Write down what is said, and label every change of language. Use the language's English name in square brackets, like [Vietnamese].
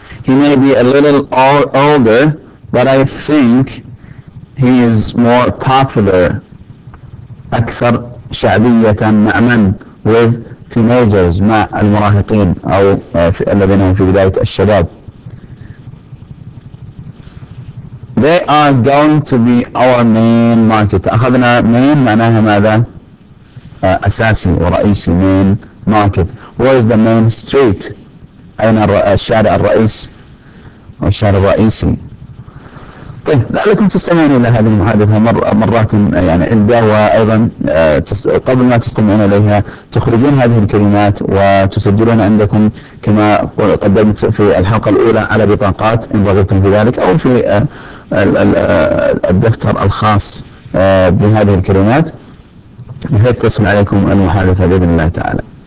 [English] He may be a little older, but I think he is more popular. [Arabic] أكثر شعبية مع من؟ [English] With teenagers، [Arabic] مع المراهقين أو الذين هم في بداية الشباب. [English] They are going to be our main market. [Arabic] أخذنا main معناها ماذا؟ أساسي ورئيسي. [English] main market. Where is the main street؟ [Arabic] أين الشارع الرئيس أو الشارع الرئيسي؟ طيب لعلكم تستمعون إلى هذه المحادثة مرات يعني عند، وأيضا قبل ما تستمعون إليها تخرجون هذه الكلمات وتسجلون عندكم كما قدمت في الحلقة الأولى على بطاقات إن رغبتم في ذلك، أو في الدفتر الخاص بهذه الكلمات بحيث تصل عليكم المحادثة بإذن الله تعالى.